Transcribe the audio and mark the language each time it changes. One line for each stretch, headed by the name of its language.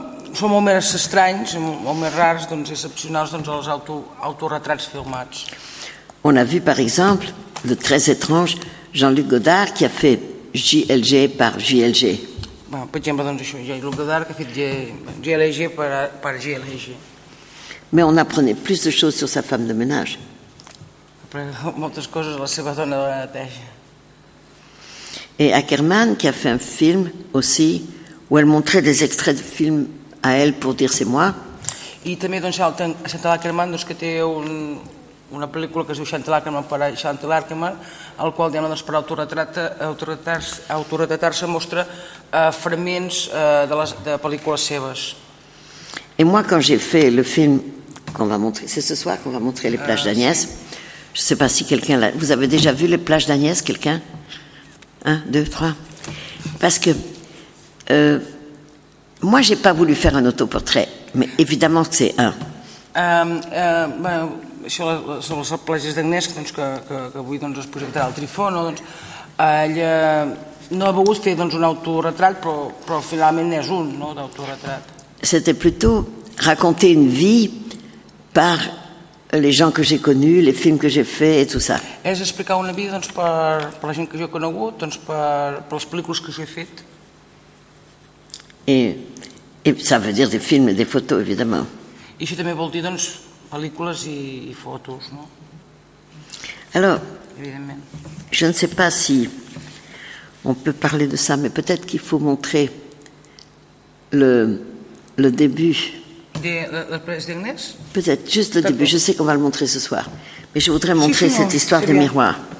Catalan: Són molt més estranys, molt més rars, doncs, excepcionals, doncs, els autorretrats filmats.
French: On a vu, par exemple, de très étrange, Jean-Luc Godard, qui a fait JLG par JLG.
Catalan: Bueno, per exemple, doncs, això, Jean-Luc Godard, que ha fet JLG per JLG.
French: Mais on apprenait plus de choses sur sa femme de ménage.
Catalan: Aprenent moltes coses a la seva dona de neteja.
French: Et Ackermann, qui a fait un film, aussi, où elle montrait des extraits de films à elle pour dire c'est moi.
Catalan: I també doncs Chantal Ackerman, doncs, que té una pel·lícula que es diu Chantal Ackerman per a Chantal Ackerman, al qual diem doncs, per autorretratar-se mostra fragments de pel·lícules seves.
French: Et moi quand j'ai fait le film qu'on va montrer, c'est ce soir qu'on va montrer les plages d'Agnès. Sí. Je sais pas si quelqu'un l'a, vous avez déjà vu les plages d'Agnès, quelqu'un? 1 2 3. Parce que moi, j'ai pas voulu faire un autoportrait, mais évidemment que c'est un.
Catalan: Sobre les plages d'Agnès, doncs, que avui doncs, es projectarà al Trifón, no? Doncs, ella no ha volgut fer doncs, un autorretrat, però finalment n'és un, no?, d'autorretrat.
French: C'était plutôt raconter une vie par les gens que j'ai connus, les films que j'ai fait et tout ça.
Catalan: És explicar una vida doncs, per la gent que jo he conegut, doncs, per les pel·lícules que jo he fet.
French: Et ça veut dire des films et des photos, évidemment.
Catalan: I això també vol dir, doncs, pel·lícules i fotos, no?
French: Alors, évidemment. Je ne sais pas si on peut parler de ça, mais peut-être qu'il faut montrer le début. Les d'Agnès? Peut-être, juste le début. Je sais qu'on va le montrer ce soir. Mais je voudrais montrer cette histoire des miroirs.